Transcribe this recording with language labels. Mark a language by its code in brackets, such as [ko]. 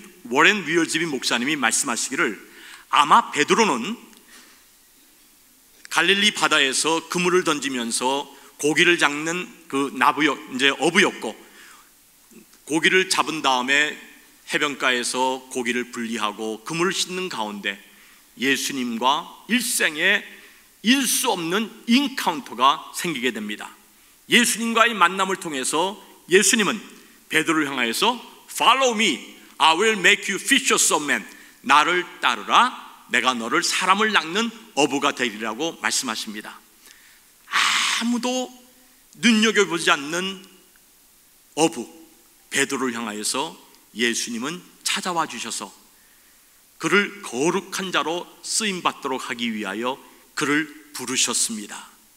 [ko] 워렌 위얼즈비 목사님이 말씀하시기를 아마 베드로는 갈릴리 바다에서 그물을 던지면서 고기를 잡는 그 나부역 이제 어부였고 고기를 잡은 다음에 해변가에서 고기를 분리하고 그물을 씻는 가운데 예수님과 일생에 일수 없는 인카운터가 생기게 됩니다. 예수님과의 만남을 통해서 예수님은 베드로를 향하여서 [en] Follow me, I will make you fishers of men. [ko] 나를 따르라, 내가 너를 사람을 낚는 어부가 되리라고 말씀하십니다. 아무도 눈여겨보지 않는 어부 베드로를 향하여서 예수님은 찾아와 주셔서 그를 거룩한 자로 쓰임받도록 하기 위하여 그를 부르셨습니다.